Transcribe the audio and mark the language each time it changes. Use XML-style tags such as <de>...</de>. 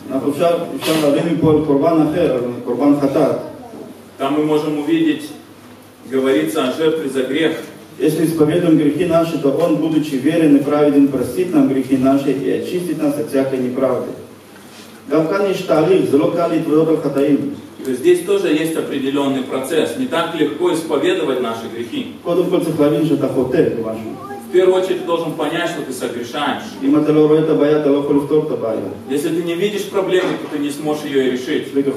<he>אפשר להבין מפה על קורבן אחר, קורבן חטאת.</he> <ru>Там мы можем увидеть, говорится о жертве за грех. Если исповедуем грехи наши, то он, будучи верен и праведен, простит нам грехи наши и очистит нас от всякой неправды.</ru> <he>גם כאן יש תהליך, זה לא קל להתוודות על חטאים.</he> <ru>То есть здесь тоже есть определенный процесс. Не так легко исповедовать наши грехи.</ru> <he>קודם כל צריך להבין שאתה חוטא משהו.</he> <ru>В первую очередь ты должен понять, что ты согрешаешь. Если ты не видишь проблемы, то ты не сможешь ее решить.</ru>